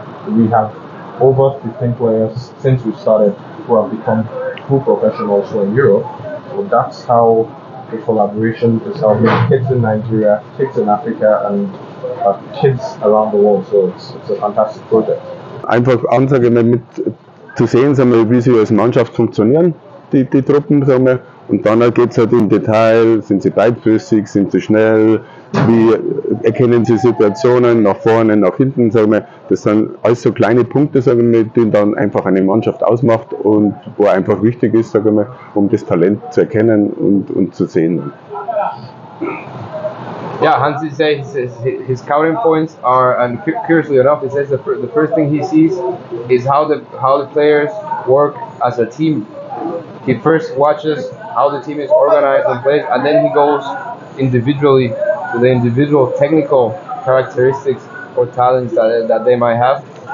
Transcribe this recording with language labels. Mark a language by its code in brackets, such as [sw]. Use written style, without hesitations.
[en] We have over 15 players since we started who have become full professionals in Europe. So that's how the collaboration is helping kids in Nigeria, kids in Africa, and kids around the world. So it's a fantastic project. [de] Einfach Ansage mit zu sehen, sagen wir, wie sie als Mannschaft funktionieren, die Truppen, sagen wir. Und dann geht es halt im Detail, sind sie beidfüßig, sind sie schnell, wie erkennen sie Situationen nach vorne, nach hinten, sagen wir. Das sind alles so kleine Punkte, sagen wir, die dann einfach eine Mannschaft ausmacht und wo einfach wichtig ist, sagen wir, um das Talent zu erkennen und zu sehen. [en] Yeah, Hansi says his scouting points are, and curiously enough, he says the first thing he sees is how the players work as a team. He first watches how the team is organized and plays, and then he goes individually to the individual technical characteristics or talents that they might have.